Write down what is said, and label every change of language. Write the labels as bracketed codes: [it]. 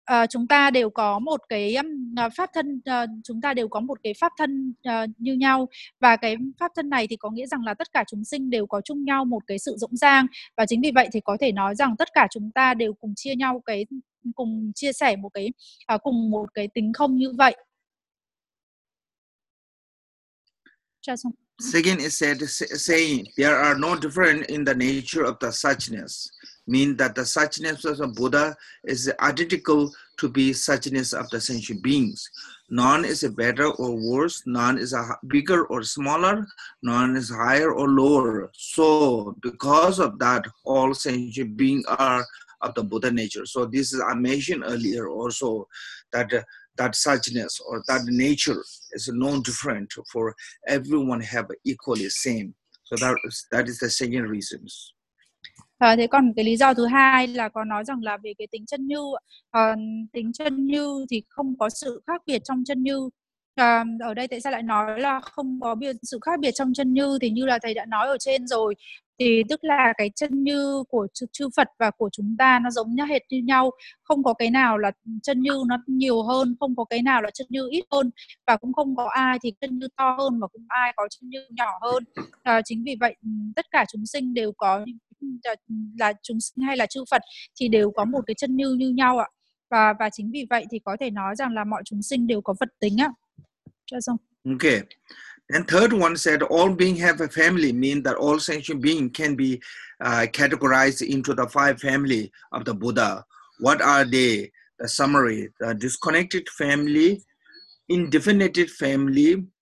[vi] Chúng ta đều có một cái pháp thân, chúng ta đều có một cái pháp thân như nhau, và cái pháp thân này thì có nghĩa rằng là tất cả chúng sinh đều có chung nhau một cái sự rỗng rang, và chính vì vậy thì có thể nói rằng tất cả chúng ta đều cùng chia nhau cái, cùng chia sẻ một cái cùng một cái tính không như vậy. [en] Second is said, saying there are no difference in the nature of the suchness, mean that the suchness of the Buddha is identical to be suchness of the sentient beings. None is better or worse, none is bigger or smaller, none is higher or lower. So because of that, all sentient beings are of the Buddha nature. So this is, I mentioned earlier also that that suchness or that nature is no different for everyone have equally same. So that is the second reason. [vi] Thế còn cái lý do thứ hai là có nói rằng là về cái tính chân như, tính chân như thì không có sự khác biệt trong chân như. Ở đây tại sao lại nói là không có sự khác biệt trong chân như, thì như là thầy đã nói ở trên rồi, thì tức là cái chân như của chư Phật và của chúng ta nó giống nhau hệt như nhau, không có cái nào là chân như nó nhiều hơn, không có cái nào là chân như ít hơn, và cũng không có ai thì chân như to hơn mà cũng ai có chân như nhỏ hơn. Chính vì vậy tất cả chúng sinh đều có, là chúng sinh hay là chư Phật thì đều có một cái chân như nhau ạ. Và chính vì vậy thì có thể nói rằng là mọi chúng sinh đều có Phật tính ạ. [en] Okay. And third one said, all beings have a family, mean that all sentient beings can be categorized into the five family of the Buddha. What are they? The summary, the disconnected family, indefinite family,